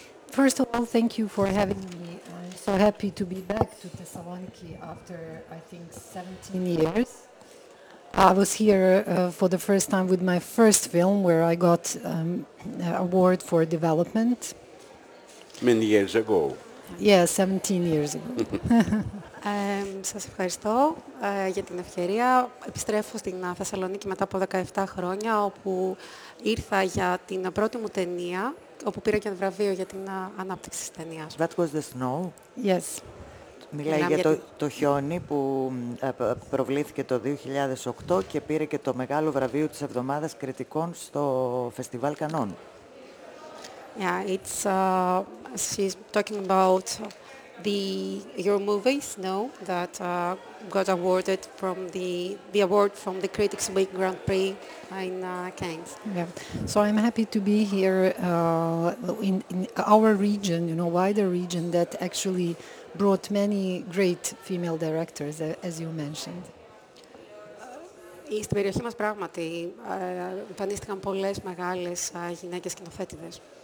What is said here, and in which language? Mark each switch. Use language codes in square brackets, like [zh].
[en] First of all, thank you for having me. I'm so happy to be back to Thessaloniki after, I think, 17 years. I was here for the first time with my first film, where I got an award for development. Many years ago. Yeah, 17 years ago. [el] Σας ευχαριστώ για την ευκαιρία. Επιστρέφω στην Θεσσαλονίκη μετά από 17 χρόνια, όπου ήρθα για την πρώτη μου ταινία, όπου πήρα και το βραβείο για την ανάπτυξη της ταινίας. [en] That was the snow. Yes. [el] Μιλάει για το χιόνι που προβλήθηκε το 2008 και πήρε και το μεγάλο βραβείο της εβδομάδας κριτικών στο Φεστιβάλ Κανών. [en] Yeah, it's she's talking about your movie Snow, that got awarded from the award from the Critics Week Grand Prix in Cannes. Yeah, so I'm happy to be here in our region, you know, wider region that actually brought many great female directors, as you mentioned. [el] Στην περιοχή μας πράγματι εμφανίστηκαν πολλές μεγάλες γυναίκες σκηνοθέτηδες.